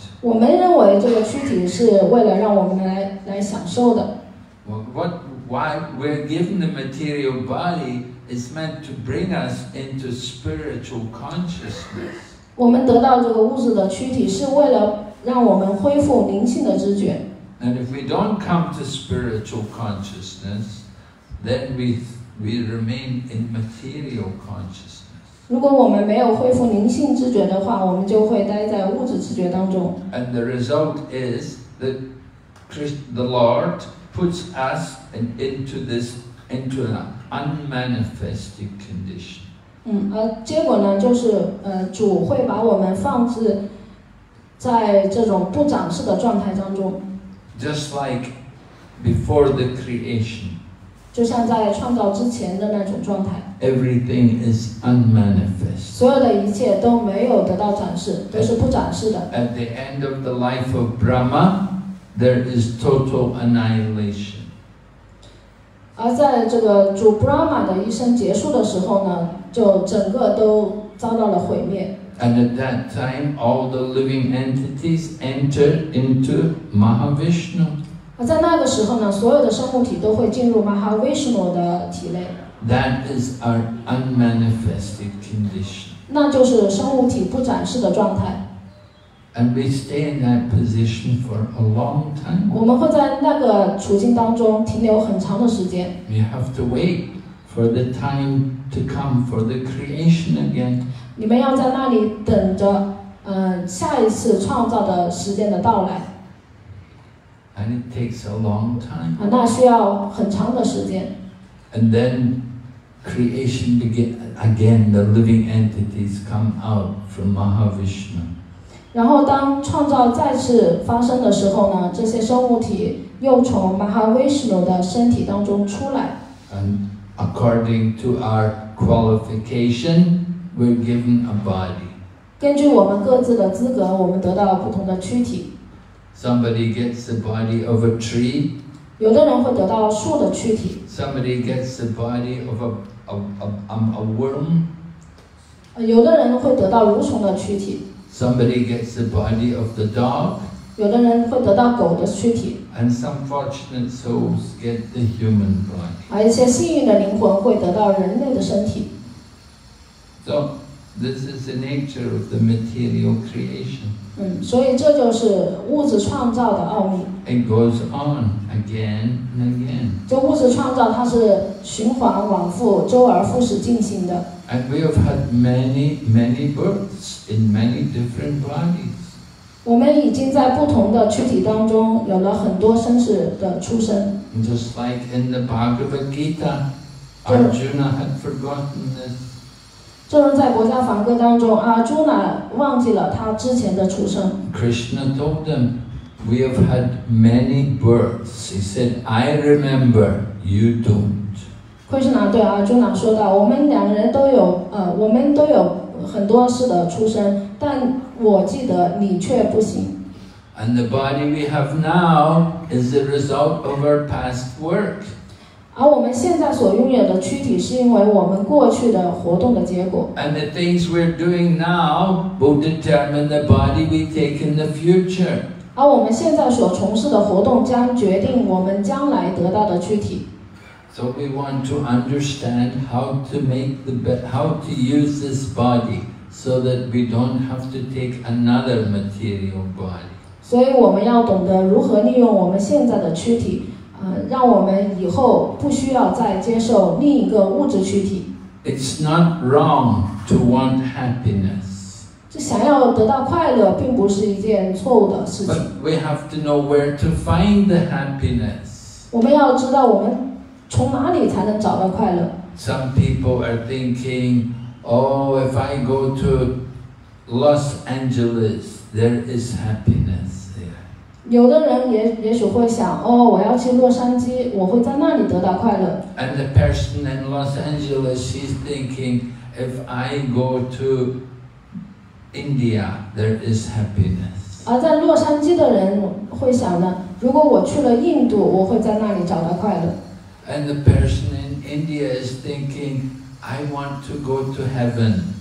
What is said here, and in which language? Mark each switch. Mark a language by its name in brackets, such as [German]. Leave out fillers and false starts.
[Chinese] 我们认为这个躯体是为了让我们来享受的。 [English] Why we're given the material body is meant to bring us into spiritual consciousness. [Chinese] 我们得到这个物质的躯体是为了让我们恢复灵性的知觉。 [English] And if we don't come to spiritual consciousness, then we we remain in material consciousness. [Chinese] 如果我们没有恢复灵性知觉的话，我们就会待在物质知觉当中。 [English] And the result is that the Lord puts us into this into an unmanifested condition. [Chinese] 而结果呢，就是主会把我们放置在这种不展示的状态当中。 [English] Just like before the creation. [Chinese] 就像在创造之前的那种状态。 [English] Everything is unmanifest. [Chinese] 所有的一切都没有得到展示，都是不展示的。 [English] At the end of the life of Brahma, there is total annihilation. [Chinese] 而在这个主 Brahma 的一生结束的时候呢，就整个都遭到了毁灭。 [English] And at that time, all the living entities enter into Mahavishnu. [Chinese] 而在那个时候呢，所有的生物体都会进入 Mahavishnu 的体内。 [English] That is our unmanifested condition. [Chinese] 那就是生物体不展示的状态。 [English] And we stay in that position for a long time. [Chinese] 我们会在那个处境当中停留很长的时间。 [English] We have to wait for the time to come for the creation again. [Chinese] 你们要在那里等着，下一次创造的时间的到来。 [English] And it takes a long time. [Chinese] 那需要很长的时间。 [English] And then creation begin again. The living entities come out from Mahavishnu. [Chinese] 然后当创造再次发生的时候呢，这些生物体又从 Mahavishnu 的身体当中出来。 [English] And according to our qualification, we're given a body. [Chinese] 根据我们各自的资格，我们得到不同的躯体。 [English] Somebody gets the body of a tree. [Chinese] 有的人会得到树的躯体。 [English] Somebody gets the body of a worm. [Chinese] 有的人会得到蠕虫的躯体。 [English] Somebody gets the body of the dog. [Chinese] 有的人会得到狗的躯体。 [English] And some fortunate souls get the human body. [Chinese] 而一些幸运的灵魂会得到人类的身体。 [English] So this is the nature of the material creation. [Chinese] 所以这就是物质创造的奥秘。 [English] It goes on again and again. [Chinese] 这物质创造它是循环往复，周而复始进行的。 [English] And we have had many, many births in many different bodies. [Chinese] 我们已经在不同的躯体当中有了很多生死的出生。 [English] Just like in the Bhagavad Gita, Arjuna had forgotten this. [Chinese] 就像在《国家梵歌》当中，阿朱那忘记了他之前的出生。 [English] Krishna told them. We have had many births. He said, I remember, you don't. [Chinese] Krishna 对阿朱那说道，我们两人都有，我们都有很多次的出生，但我记得你却不行。 [English] And the body we have now is the result of our past work. [Chinese] 而我们现在所拥有的躯体是因为我们过去的活动的结果。 [English] And the things we're doing now will determine the body we take in the future. [Chinese] 而我们现在所从事的活动将决定我们将来得到的躯体。 [English] So we want to understand how to make the how to use this body so that we don't have to take another material body. [Chinese] 所以我们要懂得如何利用我们现在的躯体，让我们以后不需要再接受另一个物质躯体。 [English] It's not wrong to want happiness. [Chinese] 想要得到快乐并不是一件错误的事情。 [English] But we have to know where to find the happiness. [Chinese] 我们要知道我们从哪里才能找到快乐。 [English] Some people are thinking, oh, if I go to Los Angeles, there is happiness there. [Chinese] 有的人 也许会想，哦，我要去洛杉矶，我会在那里得到快乐。 [English] And the person in Los Angeles, she's thinking, if I go to... India, there is happiness. [Chinese] 而在洛杉矶的人会想呢，如果我去了印度，我会在那里找到快乐。 [English] And the person in India is thinking, I want to go to heaven.